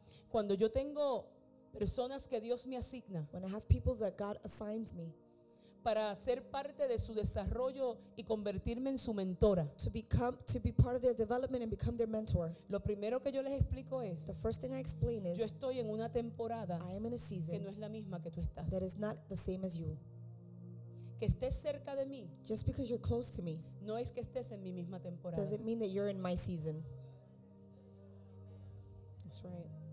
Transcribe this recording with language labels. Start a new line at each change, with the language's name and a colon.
Spanish: Cuando yo tengo personas que Dios me asigna,
English: when I have people that God assigns me,
Spanish: para ser parte de su desarrollo y convertirme en su mentora,
English: to be part of their development and become their mentor,
Spanish: lo primero que yo les explico es,
English: the first thing I explain is,
Spanish: yo estoy en una temporada,
English: I am in a season,
Spanish: que no es la misma que tú estás,
English: that is not the same as you.
Spanish: Que estés cerca de mí,
English: just because you're close to me,
Spanish: no es que estés en mi misma temporada,
English: doesn't mean that you're in my season. That's right.